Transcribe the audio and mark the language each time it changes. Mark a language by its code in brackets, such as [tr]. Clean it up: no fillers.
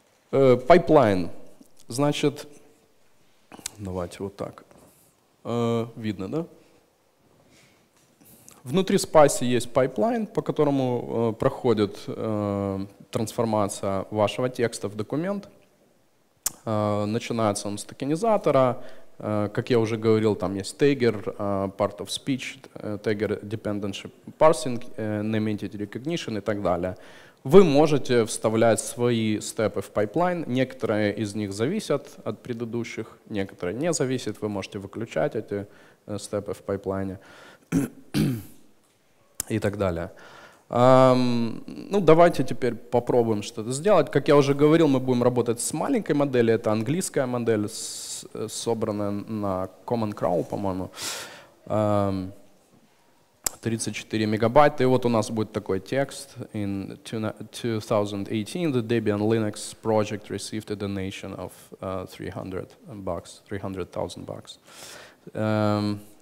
[ru] Пайплайн. Значит, давайте вот так. Видно, да? Внутри Spacy есть пайплайн, по которому проходит трансформация вашего текста в документ. Начинается он с токенизатора, Как я уже говорил, там есть tagger, part of speech, tagger dependency parsing, name entity recognition и так далее. Вы можете вставлять свои степы в пайплайн. Некоторые из них зависят от предыдущих, некоторые не зависят. Вы можете выключать эти степы в пайплайне и так далее. Ну, давайте теперь попробуем что-то сделать. Как я уже говорил, мы будем работать с маленькой моделью. Это английская модель, собранная на Common Crawl, по-моему. 34 мегабайта. И вот у нас будет такой текст. [en] In 2018, the Debian Linux project received a donation of $300,000.